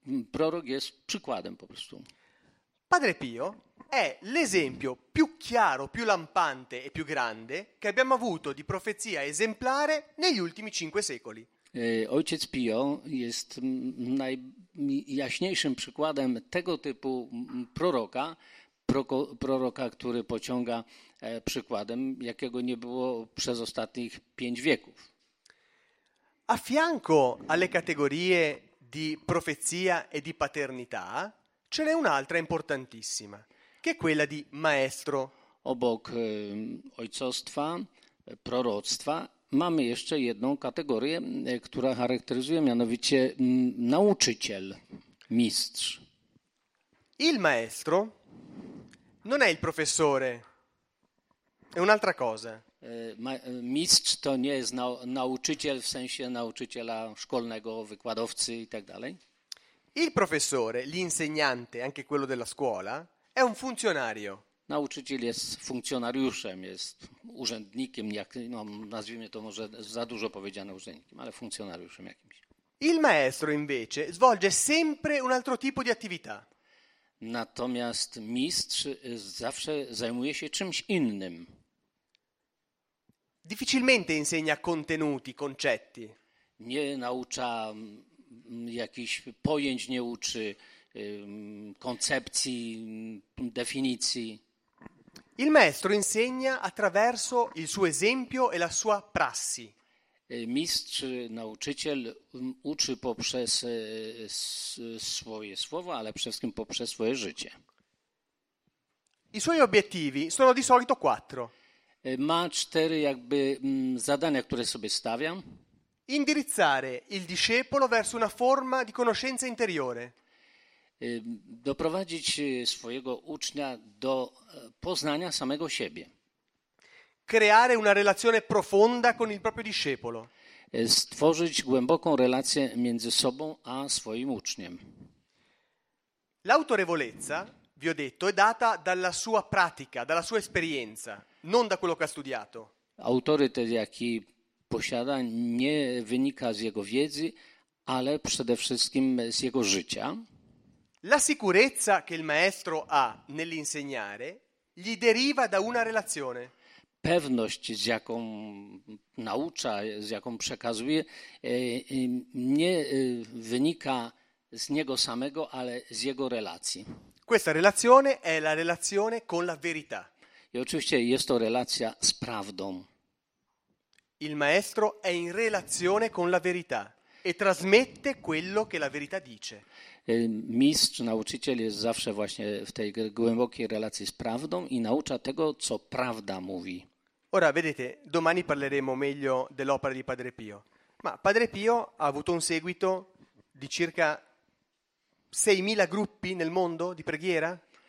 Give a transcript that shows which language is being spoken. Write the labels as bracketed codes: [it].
[pl] Prorok jest przykładem po prostu. [it] Padre Pio è l'esempio più chiaro, più lampante e più grande che abbiamo avuto di profezia esemplare negli ultimi 5 secoli. [pl] Ojciec Pio jest najjaśniejszym przykładem tego typu proroka, proroka, który pociąga przykładem, jakiego nie było przez ostatnich 5 wieków. [it] A fianco alle categorie di profezia e di paternità ce n'è un'altra importantissima, che è quella di maestro. [pl] Obok ojcostwa, proroctwa, mamy jeszcze jedną kategorię, która charakteryzuje mianowicie nauczyciel, mistrz. [it] Il maestro non è il professore, è un'altra cosa. [pl] Mistrz to nie jest nauczyciel w sensie nauczyciela szkolnego, wykładowcy i tak dalej. [it] Il professore, l'insegnante, anche quello della scuola, è un funzionario. [pl] Nauczyciel jest funkcjonariuszem, jest urzędnikiem, jak, no, nazwijmy to może za dużo powiedziane urzędnikiem, ale funkcjonariuszem jakimś. [it] Il maestro invece svolge sempre un altro tipo di attività. [pl] Natomiast mistrz zawsze zajmuje się czymś innym. [it] Difficilmente insegna contenuti, concetti. [pl] Nie naucza jakichś pojęć, nie uczy koncepcji, definicji. [it] Il maestro insegna attraverso il suo esempio e la sua prassi. [pl] Mistrz, nauczyciel uczy poprzez swoje słowa, ale przede wszystkim poprzez swoje życie. [it] I suoi obiettivi sono di solito quattro. [pl] Ma cztery jakby zadania, które sobie stawiam. [it] Indirizzare il discepolo verso una forma di conoscenza interiore. [pl] Doprowadzić swojego ucznia do poznania samego siebie. [it] Creare una relazione profonda con il proprio discepolo. [pl] Stworzyć głęboką relację między sobą a swoim uczniem. [it] L'autorevolezza, vi ho detto, è data dalla sua pratica, dalla sua esperienza, non da quello che ha studiato. [pl] Autorytet, jaki posiada, nie wynika z jego wiedzy, ale przede wszystkim z jego życia. [it] La sicurezza che il maestro ha nell'insegnare gli deriva da una relazione. [pl] Pewność, z jaką naucza, z jaką przekazuje, nie wynika z niego samego, ale z jego relacji. [it] Questa relazione è la relazione con la verità. [pl] I oczywiście jest to relacja z prawdą. [it] Il maestro è in relazione con la verità e trasmette quello che la verità dice. [pl] Mistrz, nauczyciel jest zawsze właśnie w tej głębokiej relacji z prawdą i naucza tego, co prawda mówi. [it] Ora, vedete, domani parleremo meglio dell'opera di Padre Pio. Ma Padre Pio ha avuto un seguito di circa 6.000 gruppi nel mondo di preghiera?